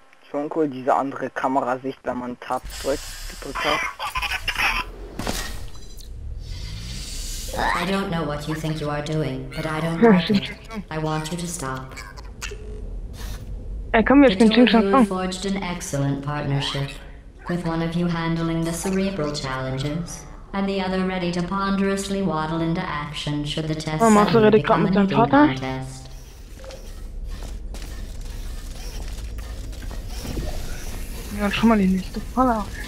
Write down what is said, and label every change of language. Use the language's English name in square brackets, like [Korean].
[German] Schon cool, diese andere Kamerasicht, wenn man Tab drückt. [English] I don't know what you think you are doing, but I don't like it. I want you to stop. Hey, come here, the two of you forged an excellent partnership, with one of you handling the cerebral challenges, and the other ready to ponderously waddle into action should the test suddenly become a leading contest. [German] Ja, schon mal die nächste Falle.